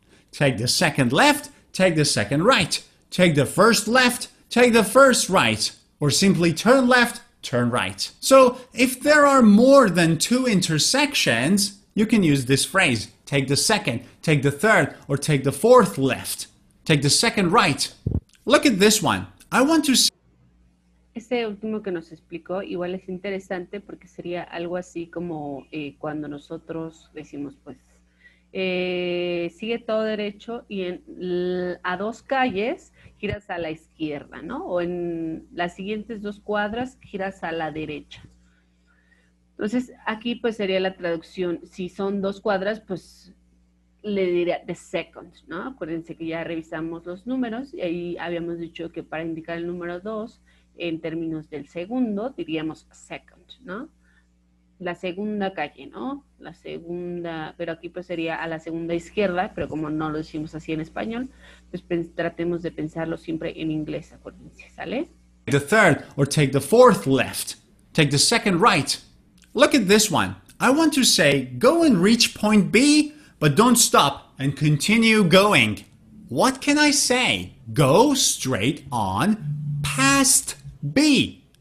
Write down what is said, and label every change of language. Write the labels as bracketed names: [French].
[English] Take the second left, take the second right. Take the first left, take the first right, or simply turn left, turn right. So, if there are more than two intersections, you can use this phrase, take the second, take the third, or take the fourth left, take the second right. Look at this one. I want to see. [Spanish] Este último que nos explicó igual es interesante porque sería algo así como cuando nosotros decimos, pues, Sigue todo derecho y a dos calles giras a la izquierda, ¿no? O en las siguientes dos cuadras giras a la derecha. Entonces, aquí pues sería la traducción. Si son dos cuadras, pues le diría the second, ¿no? Acuérdense que ya revisamos los números y ahí habíamos dicho que para indicar el número dos, en términos del segundo, diríamos second, ¿no? La segunda calle, ¿no? La segunda, pero aquí pues sería a la segunda izquierda, pero como no lo decimos así en español, pues tratemos de pensarlo siempre en inglés, acuérdense, ¿sale? [English] The third or take the fourth left. Take the second right. Look at this one. I want to say go and reach point B, but don't stop and continue going. What can I say? Go straight on past B.